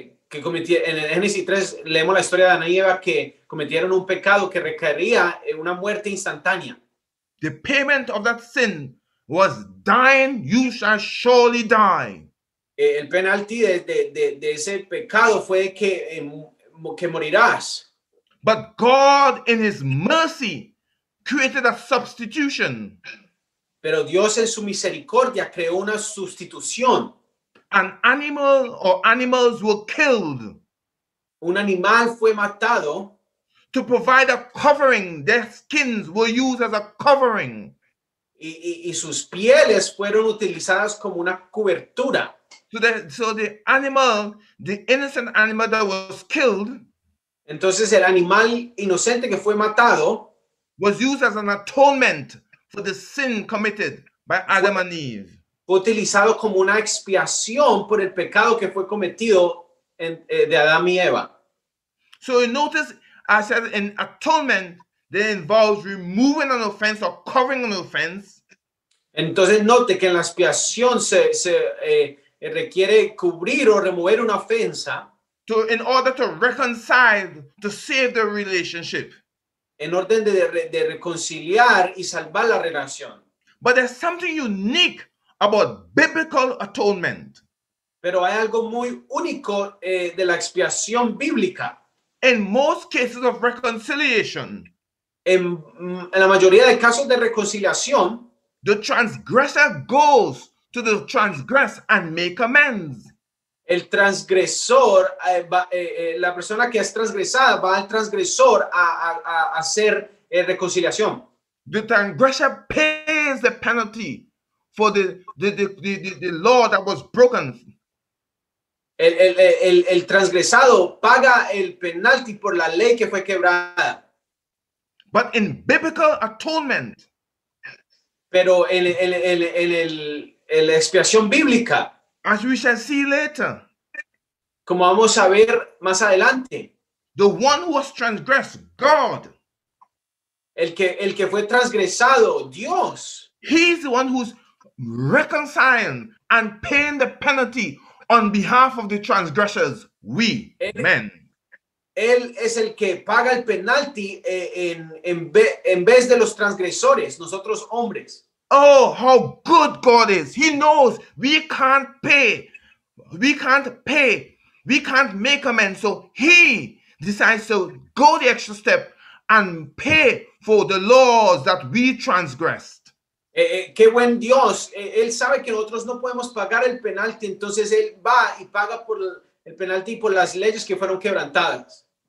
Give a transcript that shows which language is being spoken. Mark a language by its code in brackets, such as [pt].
[es] Que cometieron en el Génesis 3, leemos la historia de Adán y Eva que cometieron un pecado que requería una muerte instantánea. [en] The payment of that sin was dying, you shall surely die. [es] El penalti de ese pecado fue que morirás. [en] But God in his mercy created a substitution. [es] Pero Dios en su misericordia creó una sustitución. [en] An animal or animals were killed. [es] Un animal fue matado. [en] To provide a covering, their skins were used as a covering. [es] Y sus pieles fueron utilizadas como una cobertura. [en] So the animal, the innocent animal that was killed. [es] Entonces el animal inocente que fue matado. [en] Was used as an atonement for the sin committed by Adam and Eve. [es] Fue utilizado como una expiación por el pecado que fue cometido de Adán y Eva. [en] So you notice, as I said, an atonement that involves removing an offense or covering an offense. [es] Entonces note que en la expiación se requiere cubrir o remover una ofensa. [en] In order to reconcile, to save the relationship. [es] En orden de reconciliar y salvar la relación. [en] But there's something unique about biblical atonement. [es] Pero hay algo muy único de la expiación bíblica. [en] In most cases of reconciliation, [es] en la mayoría de casos de reconciliación, [en] the transgressor goes to the transgress and make amends. [es] El transgresor, la persona que es transgresada va al transgresor a hacer reconciliación. [en] The transgressor pays the penalty for the law that was broken. [es] El transgresado paga el penalti por la ley que fue quebrada. [en] But in biblical atonement, [es] pero en la expiación bíblica, [en] as we shall see later, [es] como vamos a ver más adelante, [en] the one who has transgressed, God, [es] El que fue transgresado, Dios. [en] He's the one who's reconciling and paying the penalty on behalf of the transgressors, we, men. [es] Él es el que paga el penalti en vez de los transgresores, nosotros hombres. [en] Oh, how good God is. He knows we can't pay. We can't pay. We can't make amends. So he decides to go the extra step and pay for the laws that we transgressed. [es] Qué buen Dios. Él sabe que nosotros no podemos pagar el penalti. Entonces él va y paga por el penalti por las leyes que fueron quebrantadas.